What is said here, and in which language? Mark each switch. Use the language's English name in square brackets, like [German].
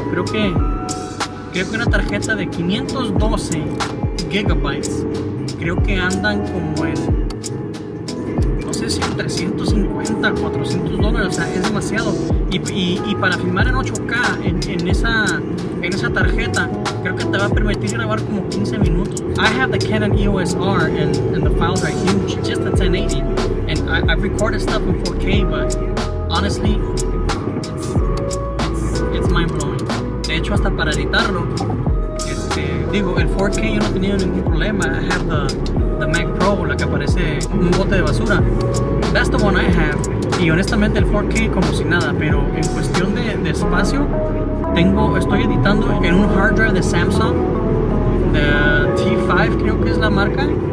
[Spanish] Creo que una tarjeta de 512 gigabytes, creo que andan como en, no sé si en 350, $400, o sea, es demasiado. Y para filmar en 8K, en esa tarjeta, creo que te va a permitir grabar como 15 minutos. [English] I have the Canon EOS R, and the files are huge, just a 1080. And I've recorded stuff in 4K, but honestly, it's mind-blowing. [Spanish] De hecho, hasta para editarlo, el 4K yo no he tenido ningún problema. [English] I have the Mac Pro, [Spanish] la que parece un bote de basura. [English] That's the one I have. [Spanish] Y honestamente el 4K como si nada, pero en cuestión de espacio, estoy editando en un hard drive de Samsung, de T5 creo que es la marca.